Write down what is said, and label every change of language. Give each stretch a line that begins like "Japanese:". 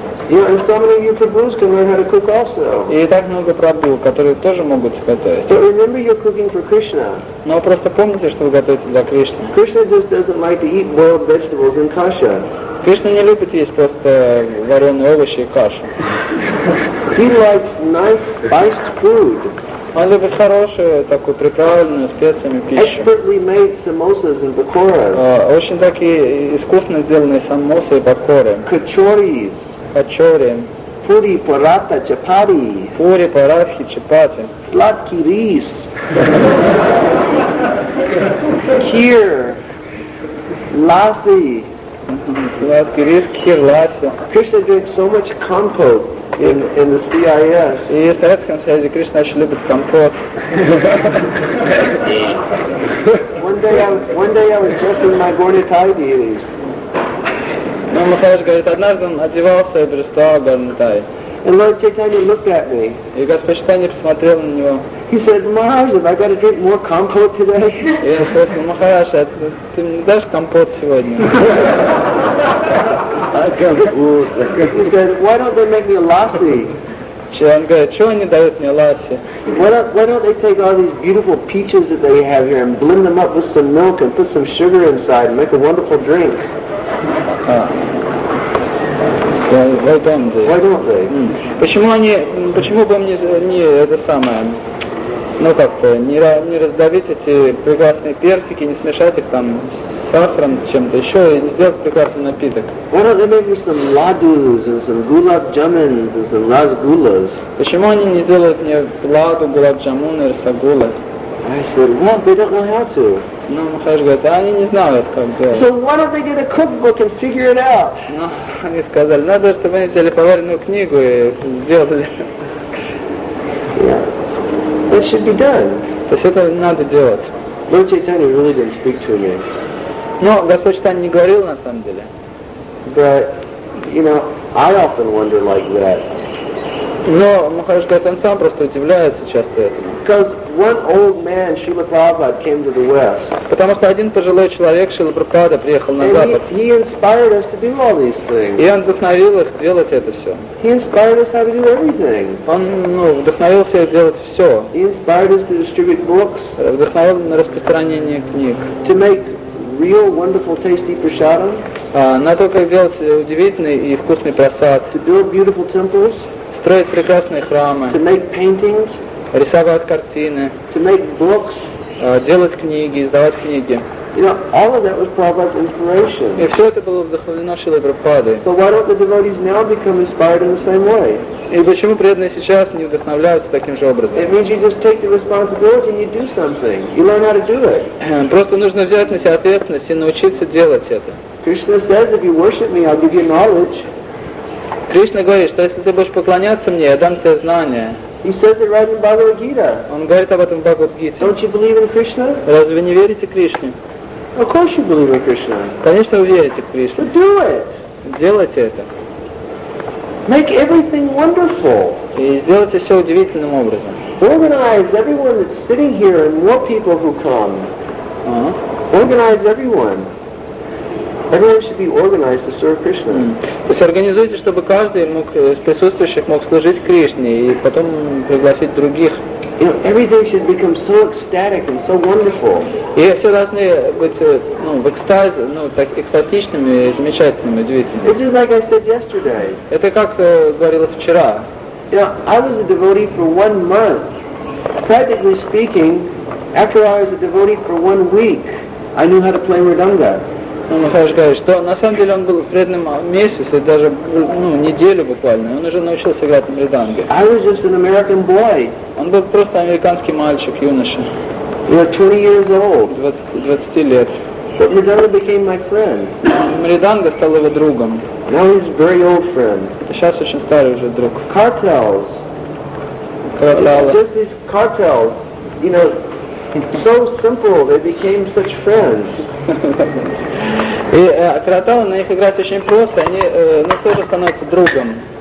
English: And so many of you Prabhus can learn how to cook also.
Russian: И так много Прабху, которые тоже могут готовить.
English: But remember you're cooking for Krishna.
Russian: Но просто помните, что вы готовите для Кришны.
English: Krishna just doesn't like to eat boiled vegetables and kasha.
Russian: Кришна не любит есть просто вареные овощи и кашу.
English: He likes nice spiced food.
Russian: Он любит хорошую, такую приправленную, специями пищу.
English: Expertly made samosas and pakoras.
Russian: Очень такие искусно сделанные самосы и пакоры.
English: Kachoris. Kachori. Puri paratha chapati. Puri paratha chapati.
Croatian: Slatki ris.
English: Kheer. Lassi.
Croatian: Slatki ris, kheer, lassi.
English: Krishna drinks so much compote. In the CIS.
Russian: И в Советском Союзе Кришна очень любит компот.
English: One day I was dressed in my Gornitai deities.
Russian: Ну, Махарадж говорит, однажды он одевался и пристал Гарнитай.
English: And Lord Chaitanya looked at me.
Russian: И Господь Чайтанья посмотрел на него.
English: He said, Maharaj, have I got to drink more compote today?
Russian: И я спросил, Махарадж, ты мне дашь компот сегодня?
English: He said, why don't they make me a lassi?
Russian: Он говорит, чего они дают мне ласси?
English: Why don't they take all these beautiful peaches that they have here and blend them up with some milk and put some sugar inside and make a wonderful drink? Why don't they? Mm.
Russian: Почему не раздавить эти прекрасные персики, не смешать их там сахаром, чем-то еще, и сделать прекрасный напиток.
English: Why don't they make some ladus and some gulab jamun and some rasgulas?
Russian: Почему они не делают мне ладу, гулаб джамун и расагулы?
English: I said, well, they don't know how to.
Russian: Ну, Махарадж говорит, они не знают, как делать.
English: So why don't they get a cookbook and figure it out?
Russian: Ну, они сказали, надо, чтобы они взяли поваренную книгу и сделали.
English: Yeah. That should be done.
Russian: То есть это надо делать.
English: Lord Chaitanya really didn't speak to me.
Russian: Но Господь Чайтанья не говорил на самом деле.
English: But, you know, I often wonder like that.
Russian: Но Махарадж говорит, он сам просто удивляется часто этому.
English: Because one old man, Srila Prabhupada, came to the West.
Russian: Потому что один пожилой человек, Шрила Прабхупада, приехал на
English: And
Russian: Запад.
English: He inspired us to do all these things.
Russian: И он вдохновил их делать это все.
English: He inspired us how to do everything.
Russian: Он вдохновил себя делать все.
English: He inspired us to distribute books.
Russian: Вдохновил на распространение книг.
English: To make real wonderful tasty prasadam.
Russian: На то, как делать удивительный и вкусный прасад.
English: To build beautiful temples.
Russian: Строить прекрасные храмы.
English: To make paintings.
Russian: Рисовать картины.
English: To make books.
Russian: Делать книги, издавать книги.
English: You know, all of that was Prabhupada's inspiration.
Russian: И все это было вдохновлено Шрилой Прабхупадой.
English: So why don't the devotees now become inspired in the same way?
Russian: И почему преданные сейчас не вдохновляются таким же образом?
English: It means you just take the responsibility and you do something. You learn how to do it.
Russian: Просто нужно взять на себя ответственность и научиться делать это.
English: Krishna says, if you worship me, I'll give you knowledge.
Russian: Кришна говорит, что если ты будешь поклоняться мне, я дам тебе знания.
English: He says it right in Bhagavad Gita.
Russian: Он говорит об этом в Бхагавад Гите.
English: Don't you believe in Krishna?
Russian: Разве не верите Кришне?
English: Of course you believe in Krishna.
Russian: Конечно, вы верите в Кришну.
English: But do it.
Russian: Делайте это.
English: Make everything wonderful.
Russian: И сделайте все удивительным образом.
English: Organize everyone that's sitting here and more people who come. Uh-huh. Organize everyone. Everyone should be organized to serve Krishna. Mm.
Russian: То есть организуйте, чтобы каждый мог, из присутствующих мог служить Кришне и потом пригласить других.
English: You know, everything should become so ecstatic and so wonderful.
Russian: И все должны быть в экстазе, так экстатичными, замечательными, удивительными.
English: It's just like I said yesterday.
Russian: Это как говорилось вчера.
English: You know, I was a devotee for 1 month. Practically speaking, after I was a devotee for 1 week, I knew how to play mridanga.
Russian: Махарадж говорит, что на самом деле он был преданным месяц и даже неделю буквально, он уже научился играть на мриданге.
English: I was just an American boy.
Russian: Он был просто американский мальчик, юноша.
English: You were 20 years old.
Russian: 20 лет.
English: But mridanga became my friend.
Russian: Мриданга стал его другом.
English: Now he's a very old friend.
Russian: Сейчас очень старый уже друг.
English: Cartels. Cartels. Just these cartels, you know, so simple, they became such friends.
Russian: И караталы, на них играть очень просто, они тоже становятся другом.